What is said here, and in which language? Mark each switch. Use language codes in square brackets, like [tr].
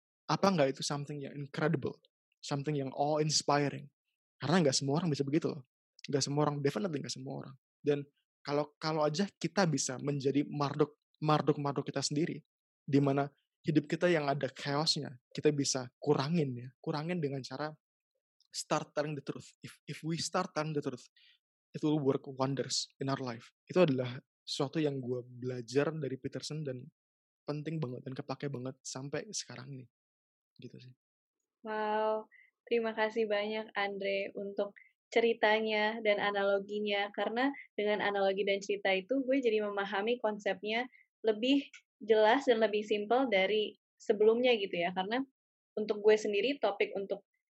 [id] Apa enggak itu something yang incredible? Something yang awe-inspiring? Karena enggak semua orang bisa begitu loh. Enggak semua orang, definitely enggak semua orang. Dan kalau aja kita bisa menjadi Marduk kita sendiri, di mana hidup kita yang ada chaosnya, kita bisa kurangin ya. Kurangin dengan cara [en] start telling the truth. If we start telling the truth, it will work wonders in our life. [id] Itu adalah sesuatu yang gue belajar dari Peterson dan penting banget dan kepake banget sampai sekarang ini. Gitu sih. Wow, terima kasih banyak Andre untuk ceritanya dan analoginya. Karena dengan analogi dan cerita itu, gue jadi memahami konsepnya lebih jelas dan lebih simpel dari sebelumnya gitu ya, karena untuk gue sendiri topik untuk